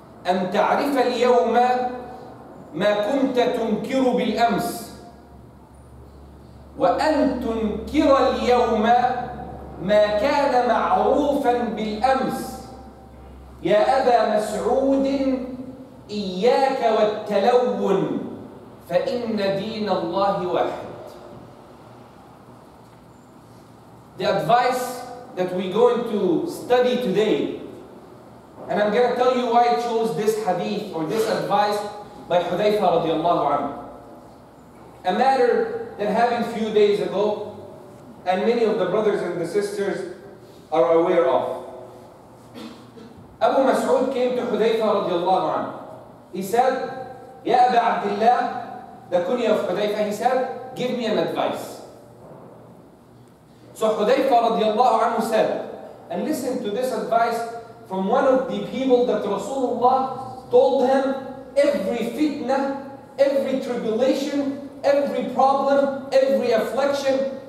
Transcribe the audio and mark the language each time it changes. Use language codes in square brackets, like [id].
[ar] أن تعرف اليوم ما كنت تنكر بالأمس، وأن تنكر اليوم ما كان معروفا بالأمس. يا أبا مسعود، إياك والتلون، فإن دين الله واحد. [en] The advice that we're going to study today, and I'm going to tell you why I chose this hadith or this advice by حذيفة رضي الله عنه. A matter that happened a few days ago, and many of the brothers and the sisters are aware of. أبو مسعود came to حذيفة رضي الله عنه. He said, [ar] يا أبا عبد الله، [en] the kunya of حذيفة. He said, give me an advice. So حذيفة رضي الله عنه said, and listen to this advice from one of the people that رسول الله told him every fitna, every tribulation, every problem, every affliction,